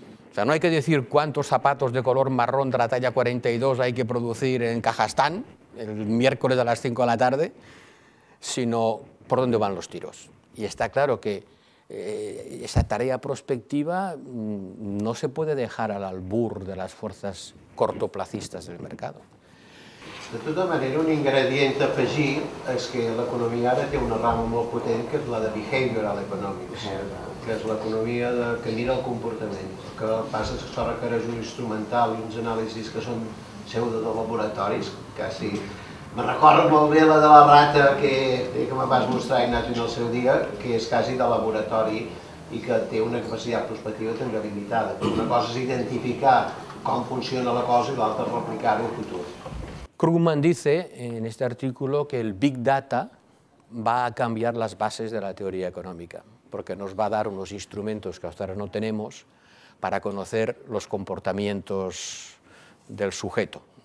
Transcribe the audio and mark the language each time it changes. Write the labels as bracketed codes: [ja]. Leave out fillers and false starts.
[es] O sea, no hay que decir cuántos zapatos de color marrón de la talla 42 hay que producir en Kazajstán el miércoles a las 5 de la tarde, sino por dónde van los tiros. Y está claro que esa tarea prospectiva no se puede dejar al albur de las fuerzas cortoplacistas del mercado. [ca] De tota manera, un ingredient a afegir és que l'economia ara té una rama molt potent, que és la de behavioral economics, que és l'economia que mira el comportament. El que passa és que això requereix un instrumental i uns anàlisis que són pseudo de laboratoris, quasi. Me recordo molt bé la de la rata que me vas mostrar, Ignasi, en el seu dia, que és quasi de laboratori i que té una capacitat prospectiva també limitada. Una cosa és identificar com funciona la cosa i l'altra replicar-ho al futur. [es] Krugman dice en este artículo que el Big Data va a cambiar las bases de la teoría económica, porque nos va a dar unos instrumentos que hasta ahora no tenemos para conocer los comportamientos del sujeto.